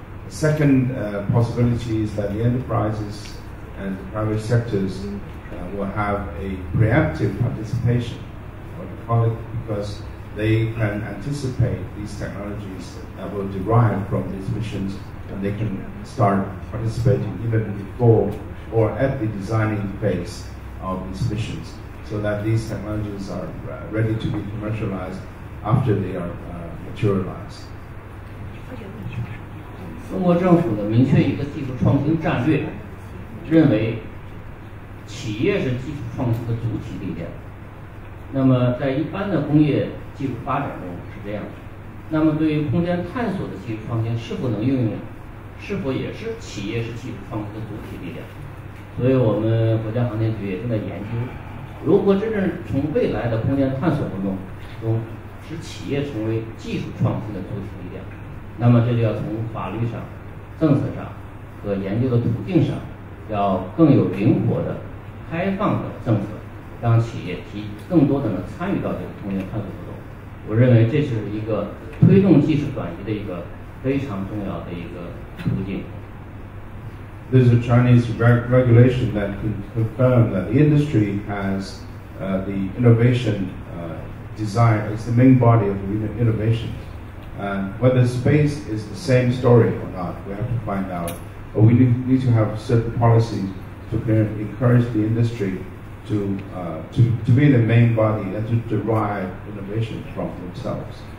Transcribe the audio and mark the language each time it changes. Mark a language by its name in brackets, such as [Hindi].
[English] The second possibility is that the enterprises and the private sectors will have a preemptive participation, what we call it, because they can anticipate these technologies that will derive from these missions, and they can start participating even before or at the designing phase of these missions, so that these technologies are ready to be commercialized after they are materialized. [Chinese] 中国政府的明确一个技术创新战略，认为企业是技术创新的主体力量。那么在一般的工业技术发展中是这样的。那么对于空间探索的技术创新是否能应用，是否也是企业是技术创新的主体力量？所以我们国家航天局也正在研究，如果真正从未来的空间探索活动中使企业成为技术创新的主体力量，那么这就要从法律上、政策上和研究的途径上要更有灵活的开放的政策，让企业提更多的能参与到这个空间探索活动。我认为这是一个推动技术转移的一个非常重要的一个途径。 [English] There's a Chinese regulation that can confirm that the industry has the innovation design as the main body of innovation. And whether space is the same story or not, we have to find out. But we need to have certain policies to encourage the industry to be the main body and to derive innovation from themselves.